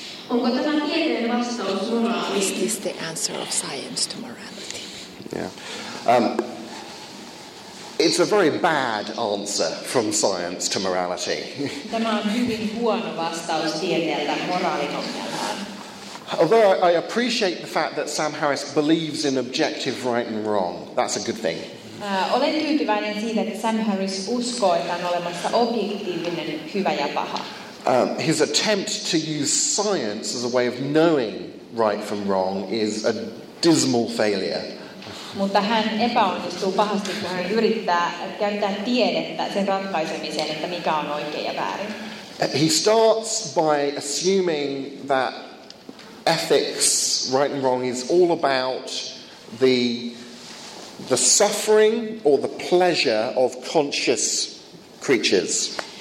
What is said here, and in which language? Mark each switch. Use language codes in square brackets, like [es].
[fi] Onko tämä tieteen vastaus moraaliin? [en] Is this the answer of science to morality? Yeah. It's a very bad answer from science to morality. [fi] Tämä on hyvin huono vastaus tieteeltä moraalin ongelmaan. [en] Although I appreciate the fact that Sam Harris believes in objective right and wrong. That's a good thing. [fi] Olen tyytyväinen siitä, että Sam Harris uskoo, että on olemassa objektiivinen hyvä ja paha. [en] His attempt to use science as a way of knowing right from wrong is a dismal failure. [fi] Mutta hän epäonnistuu pahasti, kun hän yrittää käyttää tiedettä sen ratkaisemiseen, että mikä on oikein ja väärin. [en] He starts by assuming that ethics, right and wrong, is all about the suffering or the pleasure of conscious creatures.